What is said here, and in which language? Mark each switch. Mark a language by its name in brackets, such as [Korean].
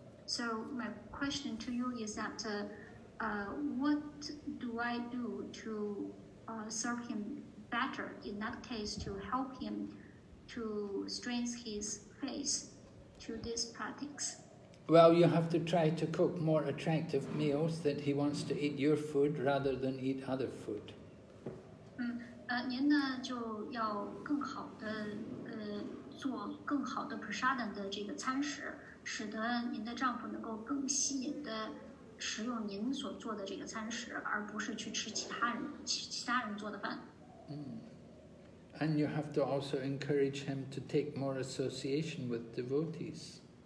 [English] So my question to you is that what do I do to serve him better, in that case to help him to strengthen his faith to this practice? Well, you have to try to cook more attractive meals that he wants to eat your food rather than eat other food. [Chinese] 您呢就要更好的做更好的 prasadam 的这个餐食, 使得您的丈夫能够更吸引的食用您所做的这个餐食, 而不是去吃其他人做的饭。 [English] And you have to also encourage him to take more association with devotees.